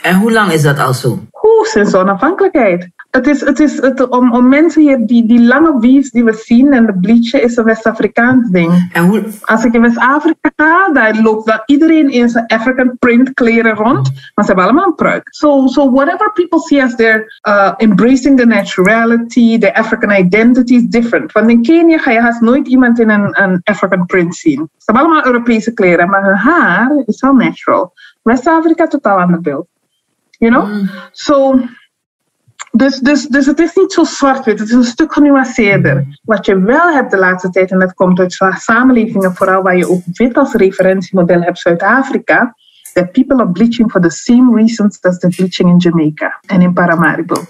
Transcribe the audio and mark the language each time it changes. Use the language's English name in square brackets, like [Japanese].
[Dutch] En hoe lang is dat al zo? Oeh, sinds onafhankelijkheid. Het is om mensen hier, die lange weaves die we zien en de bleachen, is een West-Afrikaans ding. En hoe? Als ik in West-Afrika ga, daar loopt dan iedereen in zijn African print kleren rond. Maar ze hebben allemaal een pruik. [English] So whatever people see as their embracing the naturality, the African identity is different. [Dutch] Want in Kenia ga je haast nooit iemand in een African print zien. Ze hebben allemaal Europese kleren, maar hun haar is wel natural. West-Afrika totaal aan de beeld. [English] You know? [Dutch] Dus het is niet zo zwart-wit, het is een stuk genuanceerder. Wat je wel hebt de laatste tijd, en dat komt uit samenlevingen, vooral waar je ook wit als referentiemodel hebt, Zuid-Afrika, [English] that people are bleaching for the same reasons as the bleaching in Jamaica [Dutch] en in Paramaribo.